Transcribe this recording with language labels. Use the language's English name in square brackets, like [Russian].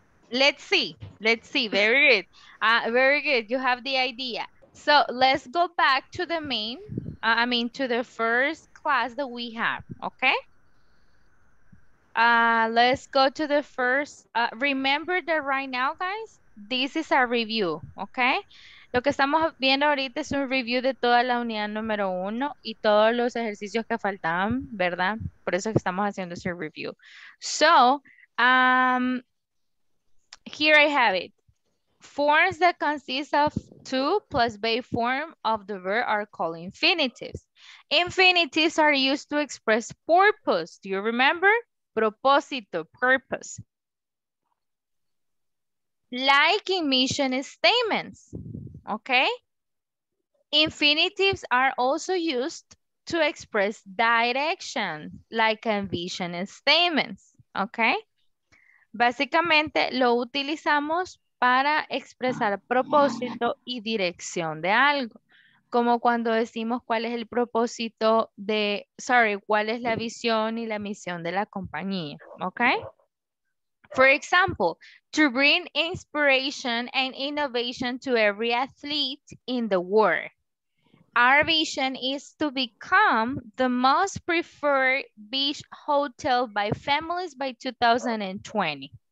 [English] Let's see. Very good. Very good. You have the idea. So let's go back to the main, to the first class that we have, okay? Let's go to the first. Remember that right now, guys, this is a review, okay? [Spanish] Lo que estamos viendo ahorita es un review de toda la unidad número uno y todos los ejercicios que faltaban, ¿verdad? Por eso que estamos haciendo ese review. [English] So, here I have it. Forms that consist of to plus base form of the verb are called infinitives. Infinitives are used to express purpose. Do you remember? [Spanish] Propósito, purpose. [English] Like in mission statements, okay? Infinitives are also used to express direction, like in vision statements, okay? [Spanish] Básicamente lo utilizamos para expresar propósito y dirección de algo. Como cuando decimos cuál es el propósito de, cuál es la visión y la misión de la compañía, okay? [English] For example, to bring inspiration and innovation to every athlete in the world. Our vision is to become the most preferred beach hotel by families by 2020.